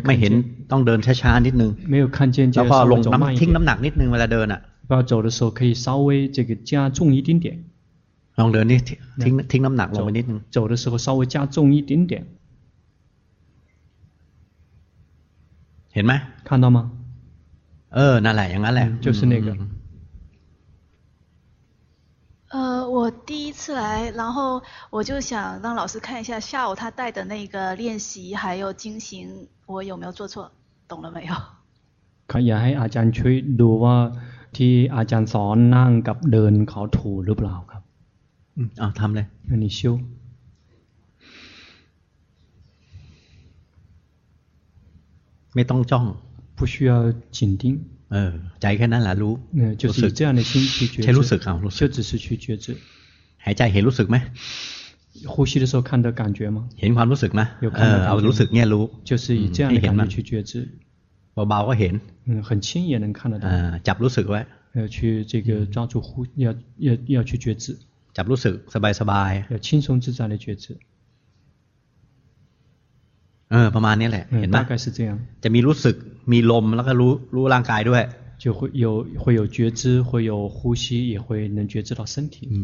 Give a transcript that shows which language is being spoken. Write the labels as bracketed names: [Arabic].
[Thai] 看见ต้องเดินช้าๆนิดนึง [Chinese] 没有看见 [Thai] แล้วก็ลงน้ำทิ้งน้ำหนักนิดนึงเวลาเดินอ่ะ [Chinese] 不要走的时候可以稍微这个加重一丁点 [Thai] ลองเดินนี่ทิ้งน้ำหนักลงไปนิดนึง [Chinese] 走的时候稍微加重一丁点 [Thai] เห็นไหม [Chinese] 看到吗 [Thai] เออนั่นแหละอย่างนั้นแหละ [Chinese] 就是那个我第一次来，然后我就想让老师看一下下午他带的那个练习还有经行，我有没有做错，懂了没有？可以让阿江去读哇，替阿江 [Thai] สอน นั่ง กับ เดิน เขา ถูก หรือ เปล่า ครับ ทำเล [Chinese] ย你修。 [Thai] ไม่ต้องจ้อง [Chinese] 不需要紧盯 [Thai] ใจแค่นั้นแหละรู้ [Chinese] 就是这样的心去觉知 [Thai] ใช่รู้สึกเอารู้ [Chinese] สึก就只是去觉知 [Thai] หายใจเห็นรู้สึกไหม [Chinese] 呼吸的时候看到感觉吗 [Thai] เห็นความรู้สึกไหม [Chinese] 有看到感觉 [Thai] เอารู้สึกเนี่ยรู้ [Chinese] 就是以这样的感觉去觉知 [Thai] เบาๆก็เห็น [Chinese] 很轻也能看得到 [Thai] จับรู้สึกไว้ [Chinese] 去这个抓住呼要去觉知 [Thai] จับรู้สึกสบายๆ [Chinese] 要轻松自在的觉知 [Thai] ประมาณนี้แหละเห็นไหม [Chinese] 大概是这样 [Thai] จะมีรู้สึกมีลมแล้วก็รู้ร่างกายด้วย [Chinese] 就会有觉知会有呼吸也会能觉知到身体